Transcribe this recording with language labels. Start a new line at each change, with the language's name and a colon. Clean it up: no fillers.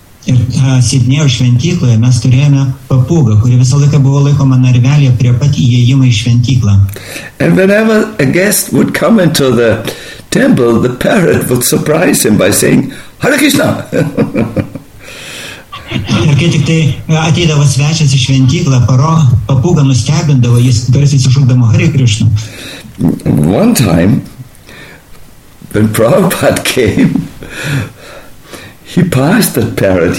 Lithuanian: Ir Sidnėjo šventykloje mes turėjome papūgą, kuri visą laiką buvo laikoma narvelyje prie pat įėjimą į šventyklą.
English: And whenever a guest would come into the temple, the parrot would surprise him by saying, Hare Krishna!
Lithuanian: Ir kai tik tai ateidavo svečias į šventyklą, papūga nustebindavo, jis garsiai sušukdavo Hare Krishna.
English: One time, when Prabhupada came, he passed that parrot.